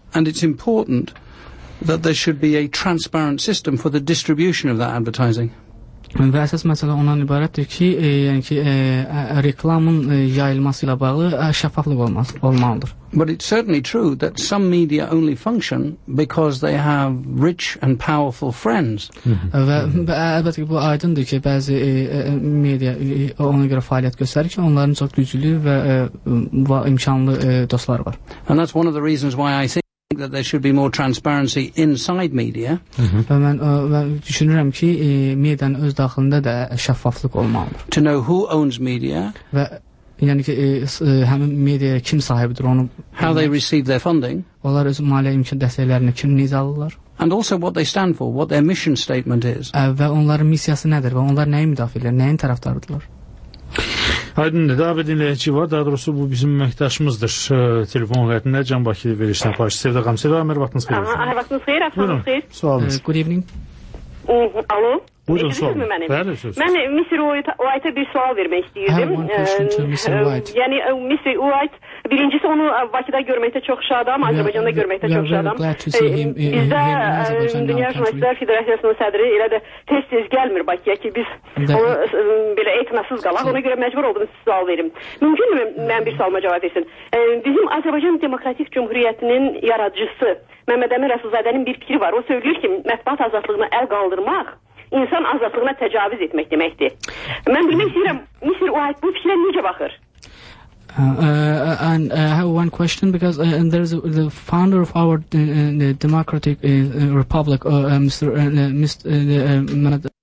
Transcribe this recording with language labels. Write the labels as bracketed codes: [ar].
[en] And it's important that there should be a transparent system for the distribution of that advertising. [az] Və əsas məsələ ondan ibarətdir ki, yəni ki, reklamın yayılması ilə bağlı şəffaflıq olmalıdır. [en] But it's certainly true that some media only function because they have rich and powerful friends. [az] Və əlbəttə ki, bu aydındır ki, bəzi media ona görə fəaliyyət göstərir ki, onların çox güclü və imkanlı dostları var. [en] And that's one of the reasons why I think that there should be more transparency inside media. [az] Mən düşünürəm ki, medianın öz daxilində də şəffaflıq olmalıdır. [en] To know who owns media. [az] Və yəni ki, həmin mediaya kim sahibdir onu. [en] How they receive their funding. [az] Onlar öz maliyyə imkan dəstəklərini kim necə alırlar? [en] And also what they stand for, what their mission statement is. [az] Və onların missiyası nədir və onlar nəyi müdafiə edirlər, nəyin tərəfdarıdırlar? Aydındır, daha bir dinləyici var, daha doğrusu bu bizim məkdaşımızdır. Telefon qəyətində Can Bakı verilişinə başlayıcı. Sevda qanım, Sevda qanım, vaxtınız xeyir. Vaxtınız xeyir, axşamınız xeyir. Sualınız. [en] Good evening. [az] Alo. Buyurun, sual. Mən Mr. White'a bir sual vermək istəyirdim. Yəni, Mr. White, birincisi onu Bakıda görməkdə çox şadam, Azərbaycanda görməkdə çox şadam. Bizdə Dünya Jurnalistlər Federasiyasının sədri elə də tez-tez gəlmir Bakıya ki, biz onu belə etinasız qalaq, ona görə məcbur oldum sual verim. Mümkünmü mən bir sualıma cavab versin? Bizim Azərbaycan Demokratik Cumhuriyyətinin yaradıcısı Məhməd Əmin Rəsulzadənin bir fikri var. O söylüyür ki, mətbuat azadlığını əl qaldırmaq insan azadlığına təcavüz etmək deməkdir. Mən bilmək istəyirəm, Mr. White bu fikrə necə baxır? [en] And I have one question because there is the founder of our democratic republic, Mr.